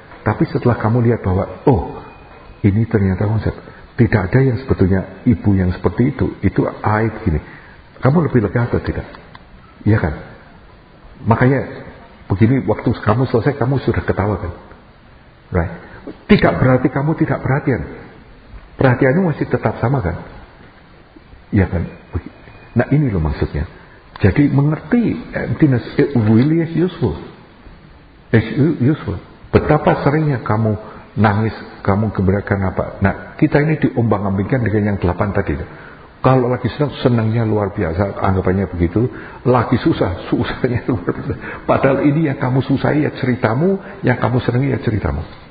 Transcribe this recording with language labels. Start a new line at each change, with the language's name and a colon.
Indonesian: Tapi setelah kamu lihat bahwa oh ini ternyata konsep, tidak ada yang sebetulnya ibu yang seperti itu aib gini, kamu lebih lega atau tidak? Iya kan? Makanya begini, waktu kamu selesai kamu sudah ketawa kan, right? Tidak berarti kamu tidak perhatian, perhatianmu masih tetap sama kan, ya kan? Nah ini loh maksudnya. Jadi mengerti
English: emptiness it really is useful. It's useful.
Indonesian: Betapa seringnya kamu nangis, kamu keberatan apa? Nah kita ini diombang-ambingkan dengan yang 8 tadi. Kalau lagi senang, senangnya luar biasa, anggapannya begitu. Lagi susah, susahnya luar biasa. Padahal ini yang kamu susahi ya ceritamu, yang kamu senangi ya ceritamu.